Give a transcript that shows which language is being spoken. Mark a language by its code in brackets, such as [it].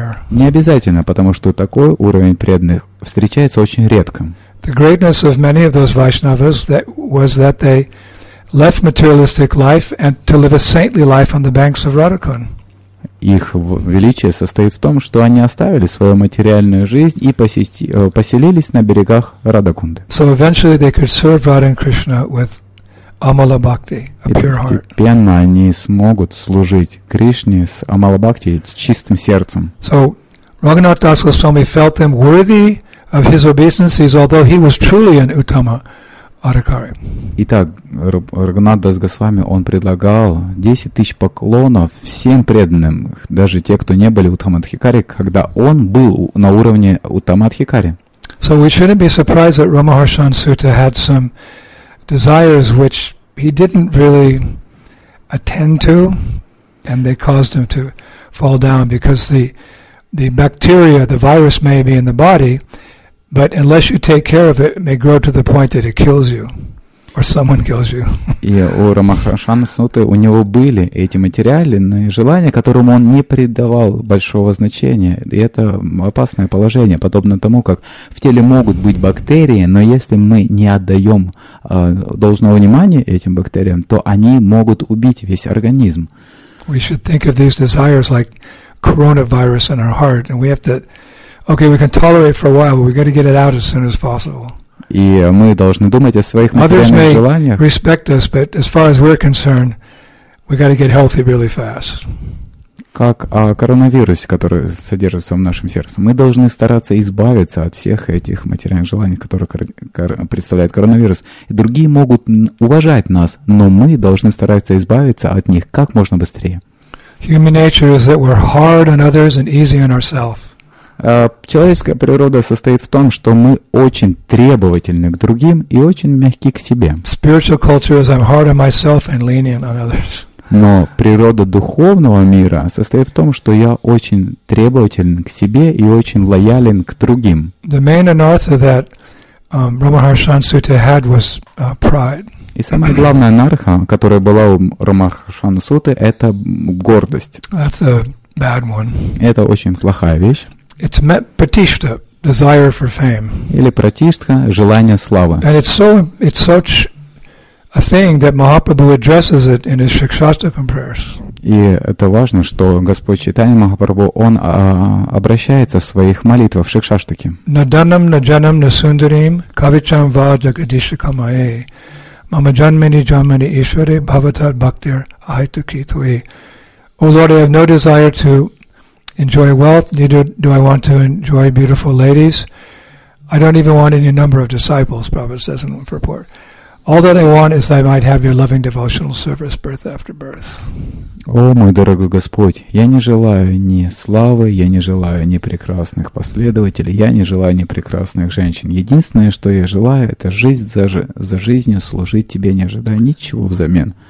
[ru] Не обязательно, потому что такой уровень преданных встречается очень редко. [en] The greatness of many of those Vaishnavas was that they left materialistic life and to live a saintly life on the banks of Radhakund. [ru] Их величие состоит в том, что они оставили свою материальную жизнь и поселились на берегах Радхакунды. [en] So eventually they could serve Radha and Krishna with Amala Bhakti, a pure heart. [ru] И постепенно они смогут служить Кришне с Амала Бхакти, с чистым сердцем. [en] So, Raghunath Das Goswami felt them worthy of his obeisances, although he was truly an Uttama Adhikari. [ru] Итак, Raghunath Das Goswami, он предлагал 10,000 поклонов всем преданным, даже те, кто не были Uttama Adhikari, когда он был на уровне Uttama Adhikari. [en] So, we shouldn't be surprised that Ramaharshan Sutta had some desires which he didn't really attend to, and they caused him to fall down, because the bacteria, the virus may be in the body, but unless you take care of it, it may grow to the point that it kills you, or someone kills you. [ru] И у Рамахашана Сутты, у него были эти материальные желания, которым он не придавал большого значения. И это опасное положение, подобно тому, как в теле могут быть бактерии, но если мы не отдаем должного внимания этим бактериям, то они могут убить весь организм. [en] We should think of these desires like coronavirus in our heart, and we have to, okay, we can tolerate for a while, but we got to get it out as soon as possible. [ru] И мы должны думать о своих материальных желаниях. [en] Others may respect us, but as far as we're concerned, we got to get healthy really fast. [ru] Как о коронавирусе, который содержится в нашем сердце. Мы должны стараться избавиться от всех этих материальных желаний, которые представляет коронавирус. И другие могут уважать нас, но мы должны стараться избавиться от них как можно быстрее. [en] Human nature is that we're hard on others and easy on ourselves. [ru] Человеческая природа состоит в том, что мы очень требовательны к другим и очень мягки к себе. [en] Spiritual culture is I'm hard on myself and lenient on others. [ru] Но природа духовного мира состоит в том, что я очень требователен к себе и очень лоялен к другим. [en] The main anartha that Ramaharshan Sutta had was pride. [ru] И самая главная анартха, которая была у Рамахаршан Сутты, это гордость. [en] That's a bad one. [ru] Это очень плохая вещь. [en] It's pratishtha, desire for fame. [ru] Или пратиштха, желание славы. [en] And it's such a thing that Mahaprabhu addresses it in his Shikshastakam prayers. [ru] И это важно, что Господь Чайтанья Махапрабху, он обращается в своих молитвах в Шикшаштаке. [sa] Наданам наджанам насундарим кавичам ва джагадишакамае мама джанмени джанмени ишваре бхаватат бхактир ахитуки твои. [en] O Lord, I have no desire to enjoy wealth, neither do I want to enjoy beautiful ladies. I don't even want any number of disciples, Prabhupada says in one purport. All that I want is that I might have your loving devotional service birth after birth. [ru] О, мой дорогой Господь, я не желаю ни славы, я не желаю ни прекрасных последователей, я не желаю ни прекрасных женщин. Единственное, что я желаю, это жизнь за жизнью, служить Тебе, не ожидая ничего взамен.